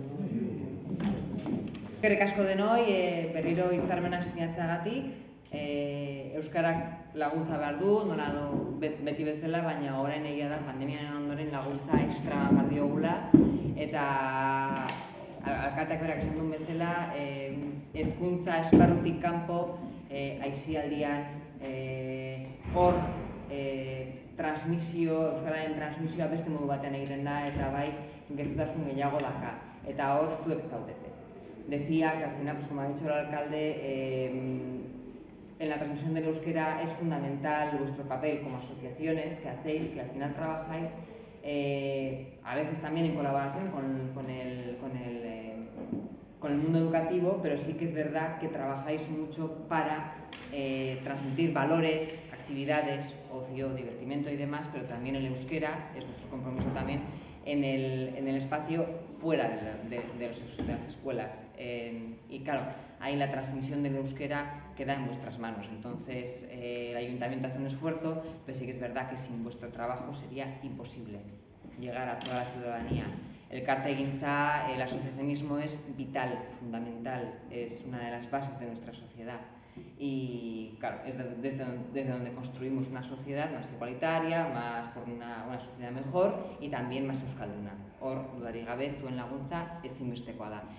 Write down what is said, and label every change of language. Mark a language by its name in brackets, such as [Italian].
[Basque] Eskerrik asko denoi, berriro hitzarmena sinatzeagatik, euskarak laguntza behar du, nora do, beti bezala, baina orain egia da pandemiaren ondoren laguntza extra behar diogula, eta alkateak berak esan duen bezala, hezkuntza esparrutik kanpo, aisialdian, hor, transmisio, euskararen transmisioa beste modu batean egiten da, eta bai, gertutasun gehiago daka, eta hor zuek zaudete. [Spanish] Decía que al final, pues como ha dicho el alcalde, en la transmisión del euskera es fundamental vuestro papel como asociaciones que hacéis, que al final trabajáis, a veces también en colaboración con el mundo educativo, pero sí que es verdad que trabajáis mucho para transmitir valores, actividades, ocio, divertimento y demás, pero también el euskera es vuestro compromiso también en el espacio fuera de las escuelas. Y claro, ahí la transmisión del euskera queda en vuestras manos. Entonces, el ayuntamiento hace un esfuerzo, pero sí que es verdad que sin vuestro trabajo sería imposible llegar a toda la ciudadanía. El Kartegintza, el asociacionismo es vital, fundamental, es una de las bases de nuestra sociedad. Y claro, es desde donde construimos una sociedad más igualitaria, más por una sociedad mejor y también más euskalduna. [Basque] Hor, dudarik gabe, zuen laguntza ezinbestekoa da.